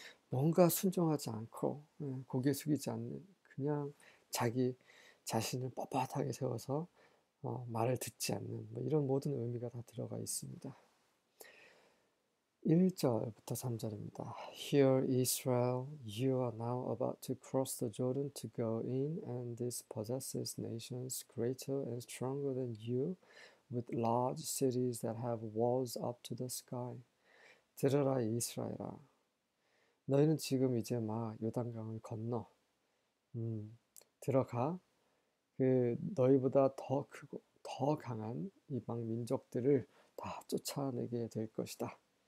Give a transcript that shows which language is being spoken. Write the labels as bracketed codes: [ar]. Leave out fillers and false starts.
[ko] 뭔가 순종하지 않고 고개 숙이지 않는 그냥 자기 자신을 뻣뻣하게 세워서 말을 듣지 않는 뭐 이런 모든 의미가 다 들어가 있습니다. 1절부터 3절입니다. [en] Hear Israel, you are now about to cross the Jordan to go in, and this possesses nations greater and stronger than you, with large cities that have walls up to the sky. [ko] 들으라 이스라엘아. 너희는 지금 이제 막 요단강을 건너 들어가 그 너희보다 더 크고 더 강한 이방 민족들을 다 쫓아내게 될 것이다.